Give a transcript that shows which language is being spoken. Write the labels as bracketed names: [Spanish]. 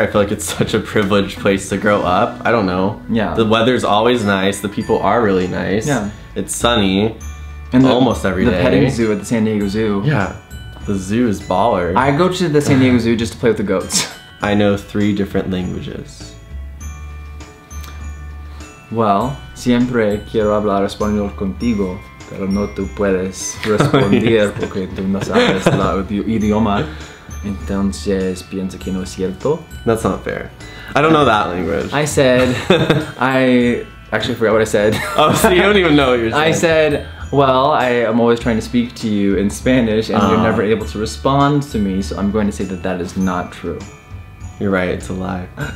[English] I feel like it's such a privilege place to grow up. I don't know. Yeah. The weather's always nice. The people are really nice. Yeah. It's sunny and almost every day. The petting zoo at the San Diego Zoo. Yeah. The zoo is baller. I go to the San Diego Zoo just to play with the goats. I know three different languages. [Spanish] Well, siempre quiero hablar español contigo, pero no tú puedes responder porque tú no sabes el idioma. Entonces piensa que no es cierto. [English] That's not fair. I don't know that language. I said, I actually forgot what I said. Oh, so you don't even know what you're saying. I said, well, I am always trying to speak to you in Spanish and you're never able to respond to me, so I'm going to say that that is not true. You're right, it's a lie.